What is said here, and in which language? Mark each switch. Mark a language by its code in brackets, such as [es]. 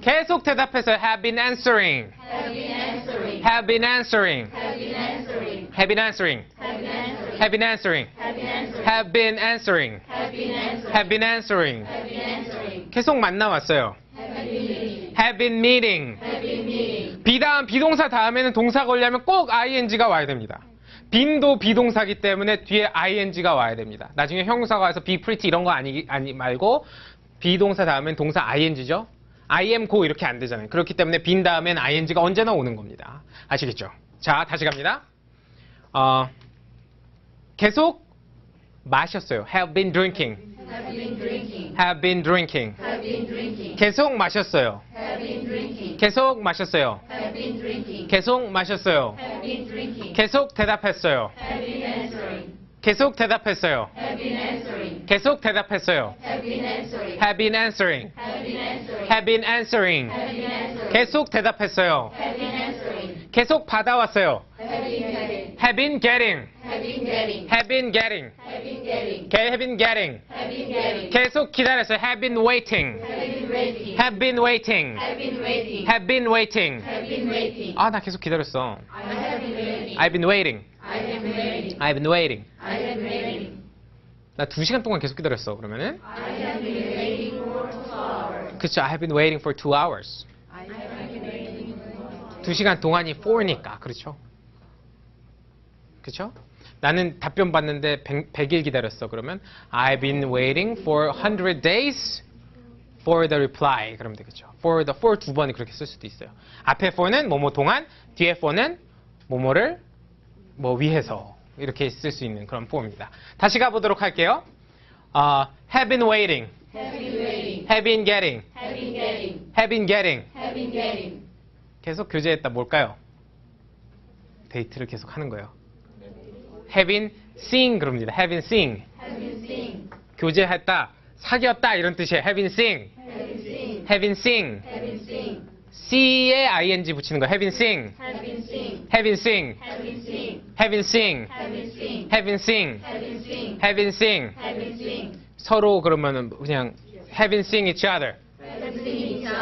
[en] 계속 대답해서 have been answering. have been answering. have been answering. have been answering. have been answering. have been answering. have been answering. 계속 만나왔어요. have been meeting. [ko] be 다음 비동사 다음에는 동사 걸려면 꼭 ing가 와야 됩니다. 빈도 비동사기 때문에 뒤에 ing가 와야 됩니다. 나중에 형용사가 와서 be pretty 이런 거 아니 말고 비동사 다음엔 동사 ing죠. I am go 이렇게 안 되잖아요. 그렇기 때문에 빈 다음엔 ing가 언제나 오는 겁니다. 아시겠죠? 자, 다시 갑니다. [en] 계속 마셨어요. have been drinking. have been drinking. have been drinking. have been drinking. [ko] 계속 마셨어요. [en] have been drinking. [ko] 계속 마셨어요. [en] have been drinking. [ko] 계속 마셨어요. [en] have been drinking. [ko] 계속 대답했어요. [en] have been answering. [ko] 계속 대답했어요. [en] have been answering. [ko] 계속 대답했어요. [en] have been answering. have been answering. have been answering. have been answering. [ko] 계속 대답했어요. [en] have been answering. [ko] 계속 받아왔어요. [en] have been getting. have been getting. have been getting. have been getting. have been getting. have been getting. 계속 기다렸어요. have been waiting. have been waiting. Have been waiting. Have been waiting. [ko] Have been waiting. 아, 나 계속 기다렸어. [en] I've been waiting. I've been waiting. I've been waiting. [ko] 나 두 시간 동안 계속 기다렸어. 그러면은? [en] I have been waiting for 2 hours. [ko] 그쵸. [en] I have been waiting for 2 hours. I have been waiting. [ko] 두 시간 동안이 for니까. 그렇죠? 그쵸? 나는 답변 받는데 100일 기다렸어. [en] 그러면 I've been waiting for 100 days for the reply. [ko] 그러면 되겠죠. For the for 두 번 그렇게 쓸 수도 있어요. 앞에 for는 뭐뭐 동안, 뒤에 for는 뭐뭐를 뭐 위해서 이렇게 쓸 수 있는 그런 form입니다. 다시 가보도록 할게요. Have been waiting. [en] Have been waiting. Have been getting. Have been getting. Have been getting. Have been getting. [ko] 계속 교재했다 뭘까요? 데이트를 계속 하는 거예요. [en] Have been seeing 그럽니다. Have been seeing. Have been seeing. [ko] 교제했다, 사귀었다 이런 뜻이에요. [en] Have been seeing. Have been seeing. Have been seeing. Have been seeing. See에 ing 붙이는 거. Have been seeing. Have been seeing. Have been seeing. Have been seeing. Have been seeing. Have been seeing. Have been seeing. Have been seeing. Have been seeing. Have been seeing. 서로 그러면은 그냥 have been seeing each other. Have been seeing each other.